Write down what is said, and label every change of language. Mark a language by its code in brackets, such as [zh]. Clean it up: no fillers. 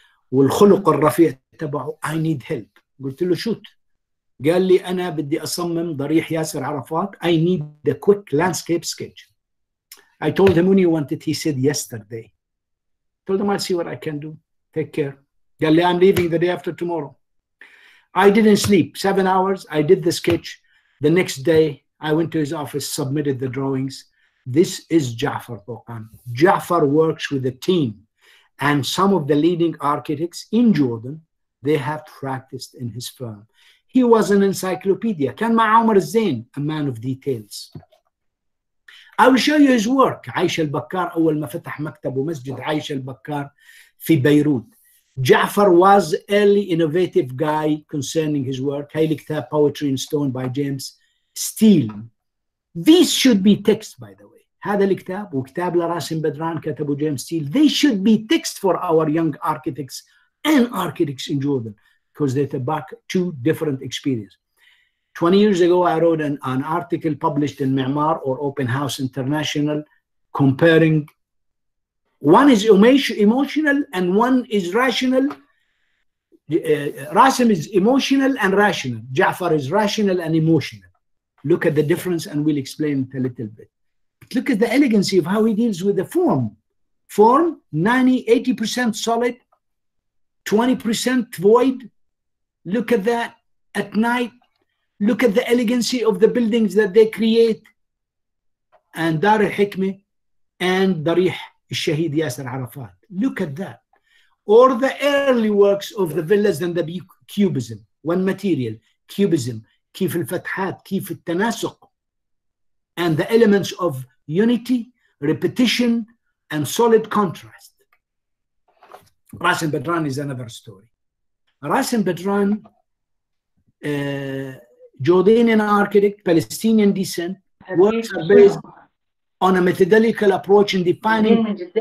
[ar] والخلق الرفيع تبعه [en] I need help [ar] قلت له شوت قال لي أنا بدي أصمم ضريح ياسر عرفات [en] I need a quick landscape sketch I told him when you wanted he said yesterday told him I'll see what I can do take care [ar] قال لي [en] I'm leaving the day after tomorrow. I didn't sleep. 7 hours. I did the sketch. The next day, I went to his office, submitted the drawings. This is Jafar Toqan. Jafar works with a team. And some of the leading architects in Jordan, they have practiced in his firm. He was an encyclopedia. [ar] كان مع عمر الزين, [en] a man of details. I will show you his work. [ar] عايشة البكار أول ما فتح مكتب ومسجد عايشة البكار في بيروت. [en] Jafar was an early innovative guy concerning his work. [ar] Hayli Kitab, [en] Poetry in Stone by James Steele. These should be text, by the way. [ar] هذا الكتاب وكتاب لراسم بدران كتبه James Steele. [en] They should be text for our young architects and architects in Jordan because they tabak two different experiences. 20 years ago, I wrote an article published in Mi'mar or Open House International comparing One is emotional and one is rational. Rasim is emotional and rational. Jafar is rational and emotional. Look at the difference and we'll explain it a little bit. But look at the elegancy of how he deals with the form. Form, 80% solid, 20% void. Look at that at night. Look at the elegancy of the buildings that they create. And Dar al-Hikmah and Darih al-Shahid Yasser Arafat. Look at that. Or the early works of the villas and the cubism. One material, cubism. [ar] كيف الفتحات, كيف التناسق. [en] And the elements of unity, repetition, and solid contrast. Rasim Badran is another story. Rasim Badran, Jordanian architect, Palestinian descent, works are based on a methodological approach in defining...